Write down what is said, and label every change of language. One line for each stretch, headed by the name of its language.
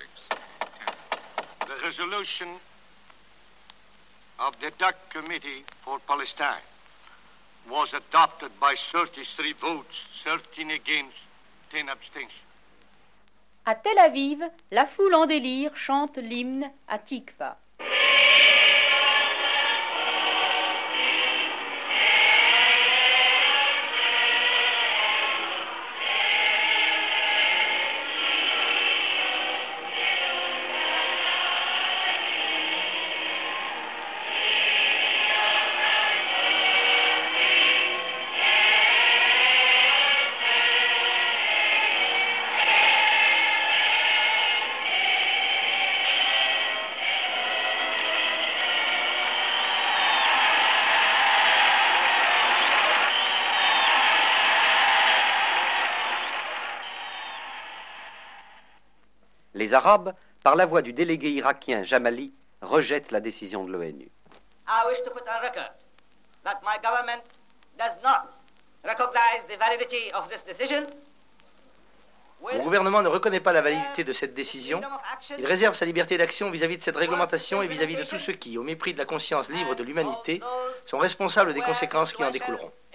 English: The resolution of the Duck Committee for Palestine was adopted by 33 votes, 13 against, 10 abstentions.
French: À Tel Aviv, la foule en délire chante l'hymne à Tikva. Les Arabes, par la voix du délégué irakien Jamali, rejettent la décision de l'ONU.
English: I wish to put on record that my government does not recognize the validity of this decision.
French: Mon gouvernement ne reconnaît pas la validité de cette décision. Il réserve sa liberté d'action vis-à-vis de cette réglementation et vis-à-vis de tous ceux qui, au mépris de la conscience libre de l'humanité, sont responsables des conséquences qui en découleront.